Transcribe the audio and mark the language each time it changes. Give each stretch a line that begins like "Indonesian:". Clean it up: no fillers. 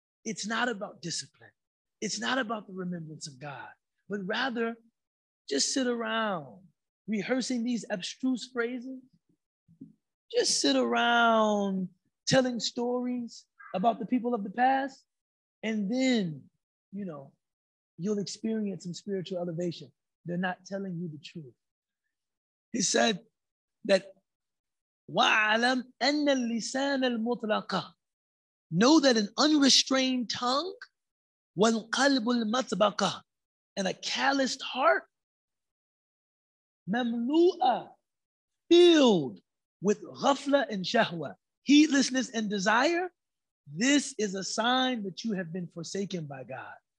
English: It's not about discipline. It's not about the remembrance of God, but rather just sit around rehearsing these abstruse phrases. Just sit around telling stories about the people of the past. And then, you know, you'll experience some spiritual elevation. They're not telling you the truth.
Arabic: He said that, وَعَلَمْ أَنَّ اللِّسَانَ الْمُطْلَقَ.
English: Know that an unrestrained tongue,
Arabic: وَالْقَلْبُ الْمَطْبَقَ,
English: and a calloused heart,
Arabic: مَمْلُوءَ,
English: filled with غَفْلَ and شَهْوَ, heedlessness and desire, this is a sign that you have been forsaken by God.